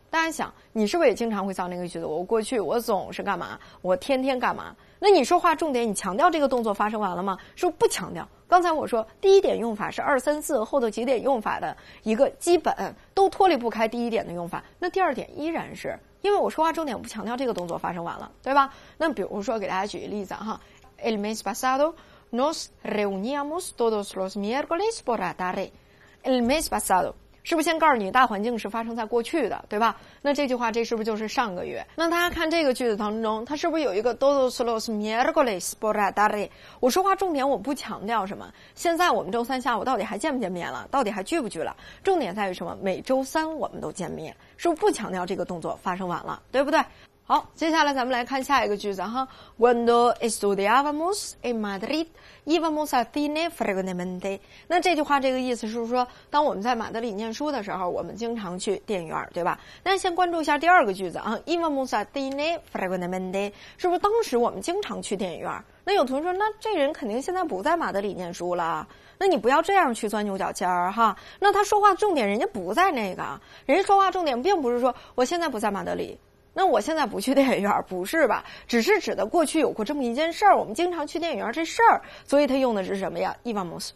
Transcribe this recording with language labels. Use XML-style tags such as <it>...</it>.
<zh>大家想，你是不是也经常会造那个句子？我过去我总是干嘛？我天天干嘛？那你说话重点，你强调这个动作发生完了吗？是不是不强调？刚才我说第一点用法是二三四后头几点用法的一个基本，都脱离不开第一点的用法。那第二点依然是，因为我说话重点不强调这个动作发生完了，对吧？那比如说给大家举一个例子哈</zh> <es>，el mes pasado nos reuníamos todos los miércoles por la tarde. El mes pasado.</es> <zh>是不是先告诉你大环境是发生在过去的，对吧？那这句话这是不是就是上个月？那大家看这个句子当中，它是不是有一个</zh> <es>todos los miércoles por la tarde？</es> <zh>我说话重点我不强调什么，现在我们周三下午到底还见不见面了，到底还聚不聚了，重点在于什么？每周三我们都见面，是不是不强调这个动作发生完了，对不对？好，接下来咱们来看下一个句子哈。</zh> <es>Cuando estudiábamos en Madrid, íbamos al cine frecuentemente.</es> <zh>那这句话这个意思是说，当我们在马德里念书的时候，我们经常去电影院，对吧？那先关注一下第二个句子啊。</zh> <es>íbamos al cine frecuentemente.</es> <zh>是不是当时我们经常去电影院？那有同学说，那这人肯定现在不在马德里念书了。那你不要这样去钻牛角尖儿哈。那他说话重点人家不在那个，人家说话重点并不是说我现在不在马德里。那我现在不去电影院，不是吧？只是指的过去有过这么一件事儿，我们经常去电影院这事儿，所以他用的是什么呀 ？íbamos。</zh>